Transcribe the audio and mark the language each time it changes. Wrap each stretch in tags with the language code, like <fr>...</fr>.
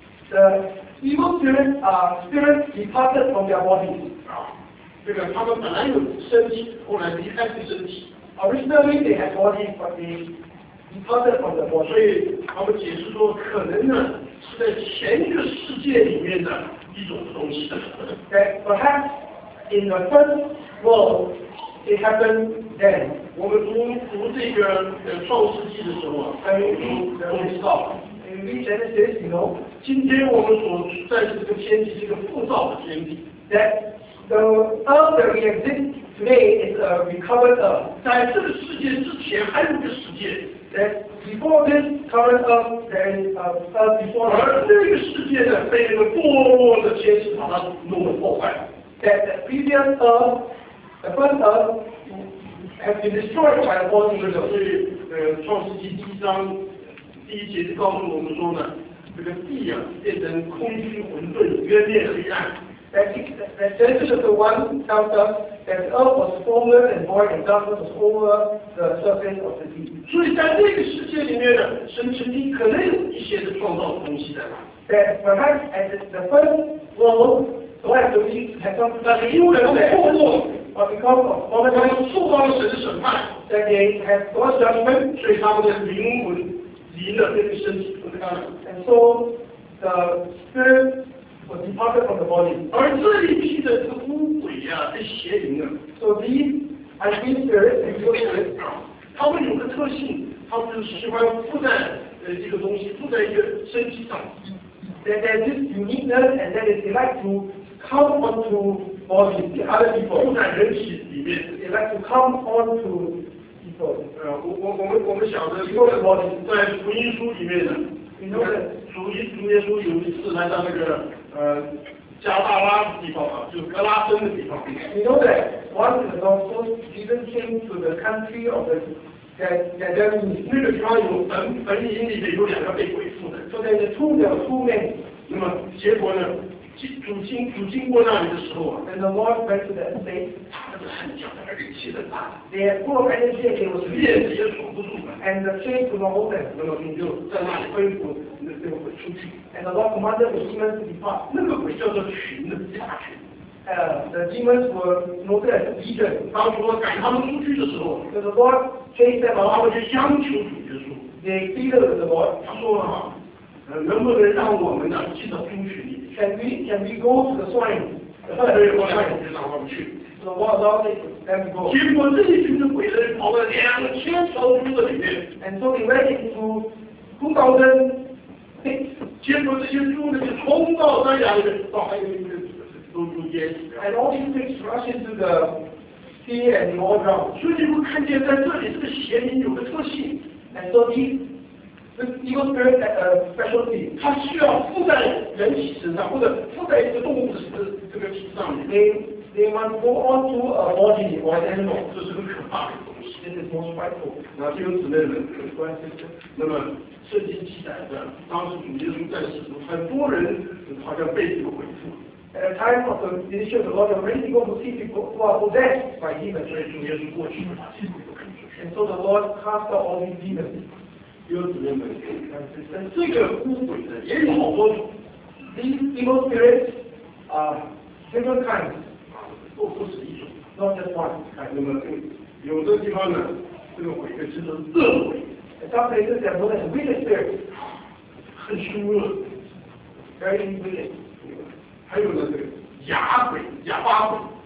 <en>The evil spirits are spirits departed from their bodies.</en> <zh>这个他们本来有身体，后来离开这身体。</zh> <en>Originally they had bodies, but they departed from the body.</en> <zh>所以他们解释说，可能呢是在前一个世界里面的一种东西。</zh> <en>That perhaps in the first world it happened then.</en> <zh>我们读这个创世纪的时候啊，还没读，我们知道。</zh> <en>In Genesis, you know.</en> <zh>今天我们所在这个天地是一个复造的天地。</zh> <en>That the earth that we exist today is a recovered earth.</en> <zh>在这个世界之前还有一个世界。</zh> <en>That before this current earth, there is a earth before us.</en> <zh>而这个世界呢，被那个堕落的天使把它弄破坏。</zh> <en>That the previous earth, the first earth, has been destroyed by the fallen angels.</en> <zh>所以，创世纪第一章第一节就告诉我们说呢，这个地啊变成空虚混沌，渊面黑暗。</zh> <en>That Genesis is the one tells us that the earth was formless and void, and darkness was over the surface of the deep.</en> <zh>所以在这个世界里面呢，神曾经可能有一些的创造的东西在。</zh> <en>That perhaps at the first world, we have to have some.</en> <zh>但是因为堕落</zh> <en>，but because of fallen,</en> <zh>他们触犯了神的审判。</zh> <en>That they have God's judgment,</en> <zh>所以他们的灵魂离了这个身体。</zh> <en>And so the spirit. Was departed from the body.</en> <zh>而这里批的这个污鬼啊，这邪灵啊</zh> <en>，so these unclean spirits, evil spirits,</en> <zh>他们有个特性，他们就喜欢附在一个东西，附在一个身体上。</zh> <en>They have this uniqueness, and that is they like to come onto body, the other people.</en> <zh>附在人体里面。</zh> <en>They like to come onto people.</en> <zh>我们晓得</zh> <en>，evil body</en> <zh>在福音书里面的。</zh> <en>You know that</en> <zh>主耶稣有一次来到那个。加大拉的地方啊，就是格拉森的地方。</zh> <en>You know that once the Gospel Jesus came to the country of the Gadarenes.</en> <zh>那个地方有坟茔里面有两个被鬼附的。</zh> <en>So there's two, there are two men.</en> <zh>那么结果呢？主经过那里的时候啊</zh> <en>，And the Lord went to that place.</en> <zh>他们很强，而且力气很大。</zh> <en>They had full of energy, and they were free.</en> <zh>子也锁不住门。</zh> <en>And the chains could not open.</en> <zh>那么你就在那里吩咐。</zh> <en>And the Lord commanded the demons to depart.</en> <zh>那个鬼叫做群的家群。</zh> <en>The demons were noted as legion.</en> <zh>当主赶他们出去的时候</zh> <en>，So the Lord chased them out.</en> <zh>他们就央求主耶稣。</zh> <en>They pleaded with the Lord.</en> <zh>他说啊，能不能让我们呢进到猪群里</zh> <en>？Can we go to the swine?</en> <zh>所以后来就让他们去。</zh> <en>So the Lord allowed them to go.</en> <zh>结果这一群的鬼呢，跑到2000头猪的里面。</zh> <en>And so they went into 2000</en> <zh>结果这些猪呢就冲到山崖里面，到海里面都猪淹死了。</zh> <en>And all these things rush into the sea and all drown.</en> <zh>所以你会看见在这里这个邪灵有个特性。</zh> <en>And so this evil spirit has a specialty.</en> <zh>它需要附在人体身上，或者附在一个动物的这个体上面。</zh> <en>They want to go onto a body or an animal.</en> <zh>这是很可怕的东西。</zh> <en>This is most frightful.</en> <zh>那弟兄姊妹们，关心的，那么。圣经记载的，当时主耶稣在世时，很多人好像被这个鬼附。</zh> <en>At a time of the initial of the Lord, many people who see people who are possessed by demons.</en> <zh>所以主耶稣过去把这鬼都赶出去。</zh> <en>And so the Lord cast out all these demons.</en> <zh>弟兄姊妹们，这个污鬼的也有好多种。</zh> <en>These evil spirits are different kinds.</en> <zh>不止一种。</zh> <en>Not just one kind.</en> <zh>那么有的地方呢，这个鬼就称作恶鬼。</zh> <en>Some places they are known as wicked spirits.</en> <zh>很凶恶。</zh> <en>Very wicked.</en> <zh>还有呢，这个哑鬼、哑巴鬼。</zh>